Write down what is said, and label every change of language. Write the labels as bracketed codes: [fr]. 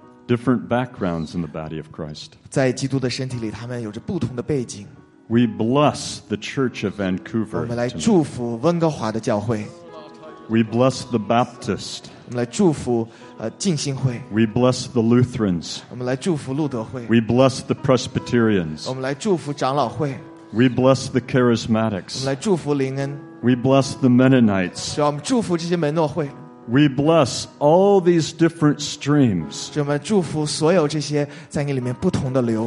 [en] Different backgrounds in the body of Christ. [zh] 在基督的身体里他们有着不同的背景。 [en] We bless the Church of Vancouver. [zh] 我们来祝福温哥华的教会。 [en] We bless the Baptist. [zh] 我们来祝福浸信会。 [en] We bless the Lutherans. [zh] 我们来祝福路德会。 [en] We bless the Presbyterians. [zh] 我们来祝福长老会。 [en] We bless the Charismatics. [zh] 我们来祝福灵恩。 [en] We bless the Mennonites. [zh] 我们祝福这些门诺会。 [en] We bless all these different streams. [zh] 我们祝福所有这些在你里面不同的流。